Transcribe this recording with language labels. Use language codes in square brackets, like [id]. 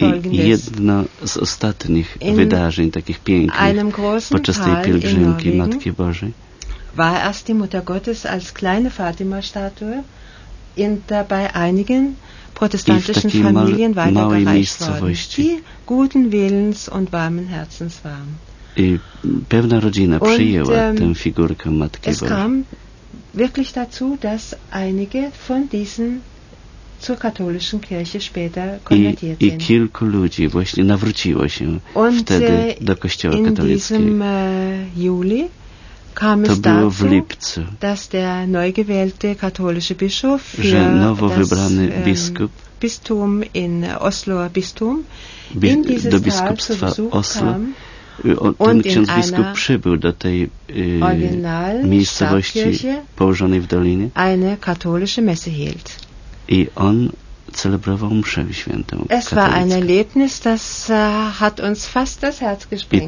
[pl] Jedno z ostatnich wydarzeń takich pięknych podczas tej pielgrzymki Matki Bożej [de] war erst die Mutter Gottes als kleine Fatima-Statue in dabei einigen protestantischen Familien weitergereicht worden, die guten Willens und warmen Herzens waren. [pl] I pewna rodzina przyjęła tę figurkę Matki Bożej. [de] Es kam wirklich dazu, dass einige von diesen zur katholischen Kirche später konvertiert sind. [pl] I kilku ludzi właśnie nawróciło się wtedy do Kościoła katolickiego. [de] In diesem Juli kam es dazu, dass der neu gewählte katholische Bischof, [pl] że nowo wybrany biskup, [de] Bistum in Oslo, Bistum, [pl] do biskupstwa Oslo, ten ksiądz biskup przybył do tej miejscowości położonej w dolinie [de] eine katholische Messe hielt. [pl] I on celebrował mszę świętą katolicką. [de] Es war ein Erlebnis, das hat uns fast das Herz gesprengt.